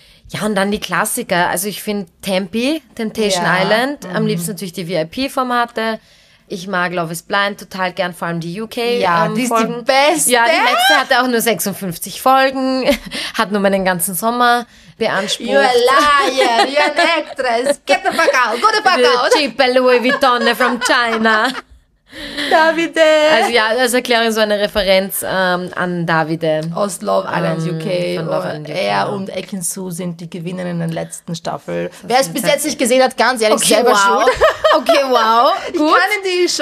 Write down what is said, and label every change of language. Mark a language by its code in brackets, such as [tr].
[de] Ja, und dann die Klassiker. Also, ich finde Tempi, Temptation Island, am liebsten natürlich die VIP-Formate. Ich mag Love is Blind total gern, vor allem die UK. Ja, die ist Folgen. Die beste. Ja, die letzte hatte auch nur 56 Folgen, hat nur meinen ganzen Sommer beansprucht. [en] You're a liar, you're an actress. Get the fuck out, go the fuck out. Cheap Louis Vuitton from China. [de] Davide. Also ja, das erkläre ich so eine Referenz an Davide. Aus Love Island UK. Er und Ekin Su sind die Gewinnerinnen in der letzten Staffel. Wer es bis jetzt nicht gesehen hat, ganz ehrlich, okay, selber schuld. Okay, wow. Gut. Ich kann in die Show.